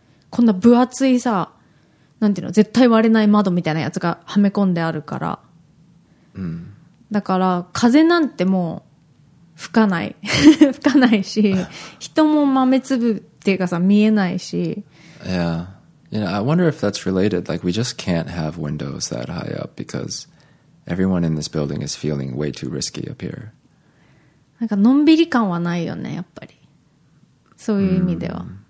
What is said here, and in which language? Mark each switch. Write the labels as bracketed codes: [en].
[ja] こんな分厚いさ、なんていうの、絶対割れない窓みたいなやつがはめ込んであるから、だから風なんてもう吹かない吹かないし、人も豆粒っていうかさ見えないし。 [en] Yeah, you know, I wonder if that's related. Like, we just can't have windows that high up because everyone in this building is feeling way too risky up here. [ja] なんかのんびり感はないよね、やっぱり、そういう意味では。